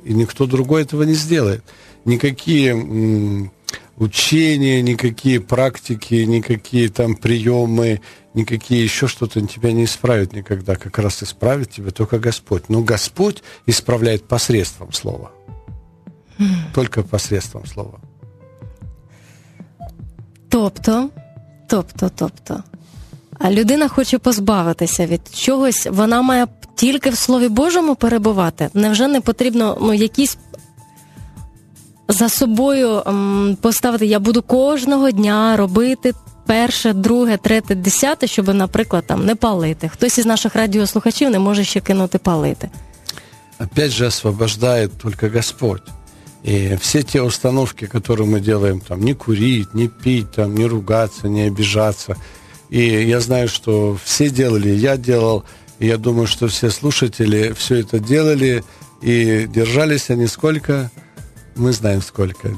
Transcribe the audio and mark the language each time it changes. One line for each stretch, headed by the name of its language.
Russian: И никто другой этого не сделает. Никакие учения, никакие практики, никакие там приемы, никакие еще что-то тебя не исправят никогда. Как раз исправит тебя только Господь. Но Господь исправляет посредством Слова. Только посредством Слова.
Ukrainian: Тобто. А людина хоче позбавитися від чогось, вона має тільки в Слові Божому перебувати? Невже не потрібно за собою поставити, я буду кожного дня робити перше, друге, третє, десяте, щоб, наприклад, там не палити? Хтось із наших радіослухачів не може ще кинути палити.
Russian: Опять же,
Ukrainian: освобождає тільки Господь.
Russian: И все те установки, которые мы делаем, там, не курить, не пить, там, не ругаться, не обижаться. И я знаю, что все делали, я делал, и я думаю, что все слушатели все это делали, и держались они сколько? Мы знаем сколько.